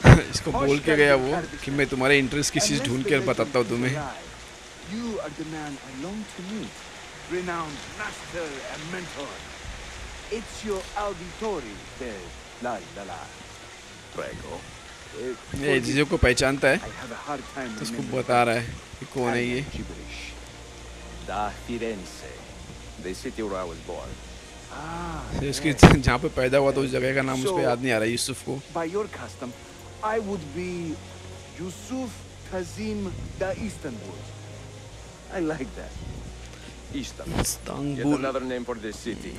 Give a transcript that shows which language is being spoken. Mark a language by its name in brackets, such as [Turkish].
[Hindi] इसको बोल के गया वो कि मैं तुम्हारे इंटरेस्ट की चीज ढूंढ के बताता हूँ तुम्हें। [English] You are the man I long to meet, renowned master and mentor. It's your auditory, the Lalala. [Italian] Prego. [Hindi] ये जीजो को पहचानता है, तो उसको बता रहा है कि कौन है ये। [Italian] Da Firenze, [English] the city where I was born. Ah. [Hindi] इसके जहाँ पे पैदा हुआ था उस जगह का नाम उसपे याद नहीं आ रहा यूसुफ को। [English] By your custom, I would be Yusuf Kazim da Istanbul. I like that. Istanbul. Yet another name for the city.